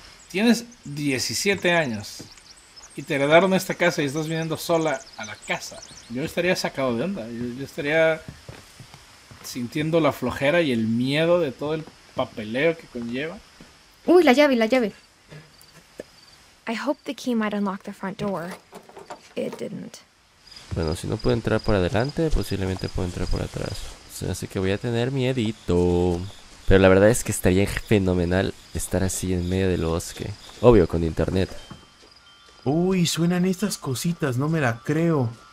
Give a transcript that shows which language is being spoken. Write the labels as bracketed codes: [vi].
[es] Tienes 17 años y te heredaron esta casa y estás viniendo sola a la casa. Yo estaría sacado de onda. Yo estaría sintiendo la flojera y el miedo de todo el papeleo que conlleva. Uy, la llave, la llave. [en] I hoped the key might unlock the front door. It didn't. [es] Bueno, si no puedo entrar por adelante, posiblemente puedo entrar por atrás. Así que voy a tener miedito. Pero la verdad es que estaría fenomenal estar así en medio del bosque. Obvio, con internet. Uy, suenan estas cositas, no me la creo.